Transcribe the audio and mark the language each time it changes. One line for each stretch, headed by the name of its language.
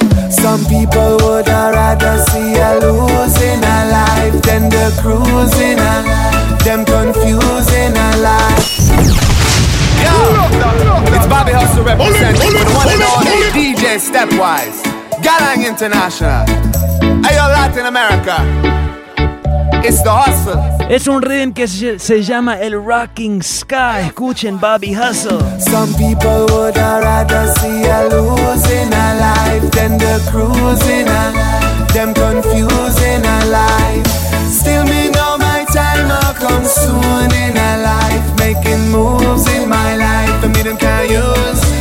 English: Some people would rather see a losing a life than the cruising a life, them confusing a life. Yo, it's Bobby Hustle representing for the one and only DJ Stepwise, Galang International. Hey, yo, Latin America. It's the hustle.
Spanish: Es un rhythm que se llama el Rocking Sky. Escuchen Bobby Hustle.
English: Some people would rather see a losing a life than the cruising a life, them confusing a life. Still me know my time will come soon in a life, making moves in my life for me them can't use.